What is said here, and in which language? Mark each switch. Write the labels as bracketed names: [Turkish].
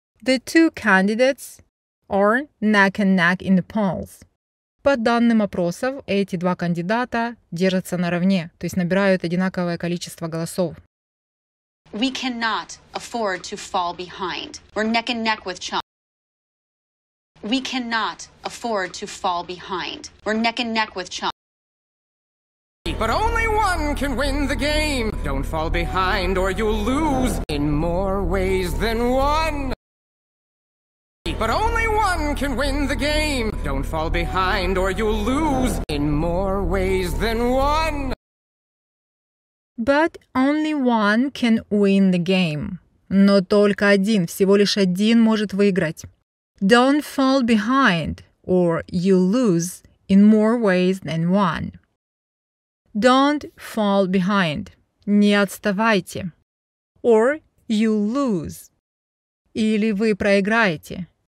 [English] The two candidates are neck and neck in the polls. [Russian] По данным опросов, эти два кандидата держатся наравне, то есть набирают одинаковое количество голосов. [English] We cannot afford to fall behind. We're neck and neck with Chuck. We cannot afford to fall behind. We're neck and neck with Chuck. But only one can win the game. Don't fall behind or you'll lose in more ways than one. But only one can win the game. Don't fall behind or you'll lose in more ways than one. But only one can win the game. [Russian] Но только один, всего лишь один может выиграть. [English] Don't fall behind or you'll lose in more ways than one. Don't fall behind. [Russian] Не отставайте. [English] Or you lose. [Russian] Или вы проиграете.